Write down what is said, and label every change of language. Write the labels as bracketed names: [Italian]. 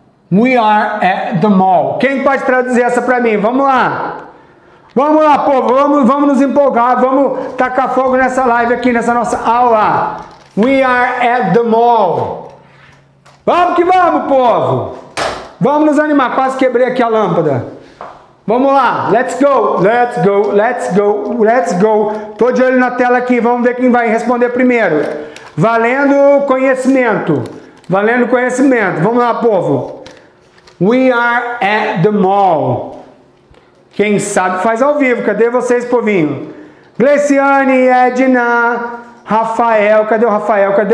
[English] We are at the mall. [Portuguese] Quem pode traduzir essa para mim? Vamos lá. Vamos lá, povo, vamos nos empolgar, vamos tacar fogo nessa live aqui, nessa nossa aula. [English] We are at the mall. [Portuguese] Vamos que vamos, povo. Vamos nos animar, quase quebrei aqui a lâmpada. Vamos lá, [English] let's go, let's go, let's go, let's go. [Portuguese] Tô de olho na tela aqui, vamos ver quem vai responder primeiro. Valendo conhecimento, valendo conhecimento. Vamos lá, povo. [English] We are at the mall. [Portuguese] Quem sabe faz ao vivo. Cadê vocês, povinho? Gleiciane, Edna, Rafael. Cadê o Rafael?